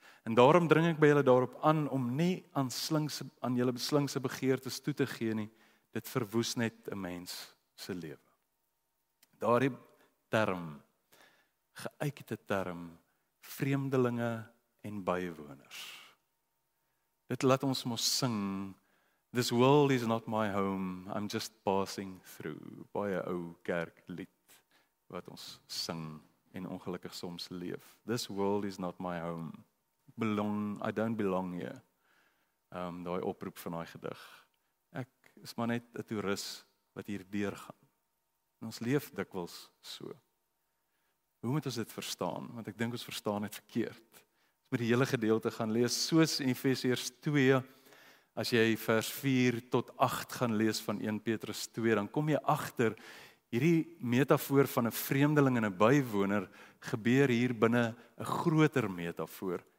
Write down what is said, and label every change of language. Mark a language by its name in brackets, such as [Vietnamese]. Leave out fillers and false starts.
[Afrikaans] En daarom dring ek by julle daarop aan om nie aan julle slinkse begeertes toe te gee nie. Dit verwoes net 'n mens se lewe. Daardie term, geëikte term, vreemdelinge en bywoners. Dit laat ons mos sing, [English] this world is not my home, I'm just passing through. [Afrikaans] Baie ou kerklied wat ons sing en ongelukkig soms leef. [English] This world is not my home. I don't belong here. [Afrikaans] Daai oproep van daai gedig. Ek is maar net 'n toerist wat hier deurgaan. En ons leef dikwels so. Hoe moet ons dit verstaan? Want ek dink ons verstaan dit verkeerd. Ons moet die hele gedeelte gaan lees, soos in Efesiërs 2, as jy vers 4 tot 8 gaan lees van 1 Petrus 2, dan kom jy agter hierdie metafoor van 'n vreemdeling en 'n bywoner gebeur hier binne 'n groter metafoor.